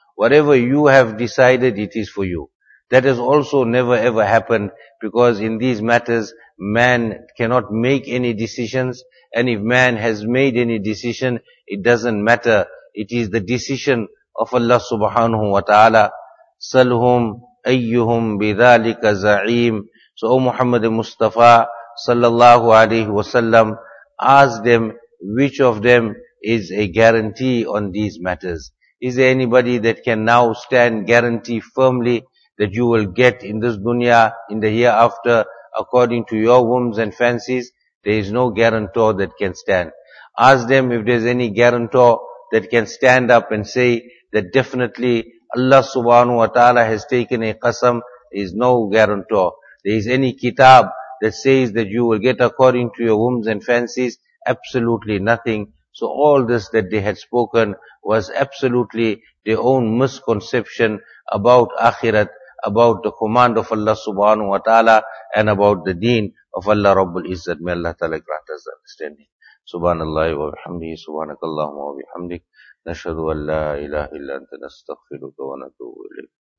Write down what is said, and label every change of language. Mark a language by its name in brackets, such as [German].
[English] Whatever you have decided, it is for you. That has also never ever happened, because in these matters, man cannot make any decisions, and if man has made any decision, it doesn't matter. It is the decision of Allah subhanahu wa ta'ala. [Arabic] Salhum أيهم بذلك زعيم. [English] So O Muhammad Mustafa sallallahu alayhi wasallam, ask them which of them is a guarantee on these matters. Is there anybody that can now stand guarantee firmly that you will get in this dunya, in the hereafter, according to your whims and fancies? There is no guarantor that can stand. Ask them if there is any guarantor that can stand up and say that definitely Allah subhanahu wa ta'ala has taken a qasam. Is no guarantor. There is any kitab that says that you will get according to your whims and fancies? Absolutely nothing. So all this that they had spoken was absolutely their own misconception about akhirat, about the command of Allah subhanahu wa ta'ala, and about the deen of Allah Rabbul Izzat. May Allah ta'ala grant us understanding. [Arabic] Subhanallah wa bihamdihi, subhanakallahumma wa bihamdik. نشهد أن لا إله إلا أنت نستغفرك ونتوب إليك